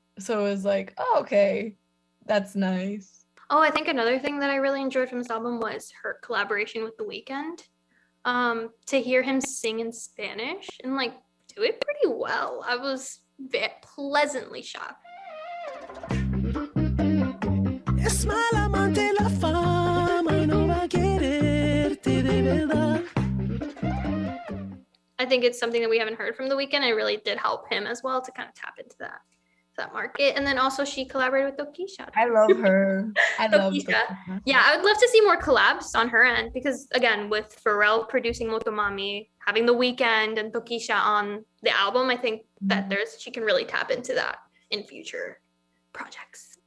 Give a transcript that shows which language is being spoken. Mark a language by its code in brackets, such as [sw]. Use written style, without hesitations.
[en] So it was like, oh, okay, that's nice. Oh, I think another thing that I really enjoyed from this album was her collaboration with The Weeknd. To hear him sing in Spanish and like do it pretty well, I was pleasantly shocked. [es] Es mal amante la fama y no va a quererte de verdad. [en] I think it's something that we haven't heard from The Weeknd. It really did help him as well to kind of tap into that market. And then also she collaborated with Tokisha. I love her. I love Tokisha. Yeah, I would love to see more collabs on her end, because again, with Pharrell producing Motomami, having The Weeknd and Tokisha on the album, I think that she can really tap into that in future projects.